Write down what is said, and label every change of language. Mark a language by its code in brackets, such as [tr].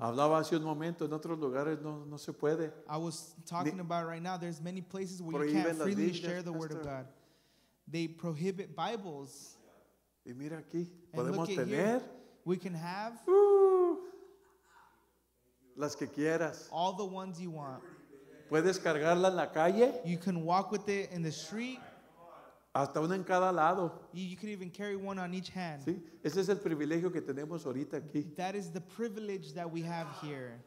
[es] Hablaba hace un momento, en otros lugares no se puede. [en] I was talking about right now, there's many places where you can't freely share the word of God. They prohibit Bibles. [es] Y mira aquí, podemos tener. [en] We can have. [es] Las que quieras. [en] All the ones you want. [es] Puedes cargarla en la calle. [en] You can walk with it in the street. [es] Hasta una en cada lado. [en] You can even carry one on each hand. [es] Sí, ese es el privilegio que tenemos ahorita aquí. [en] That is the privilege that we have here.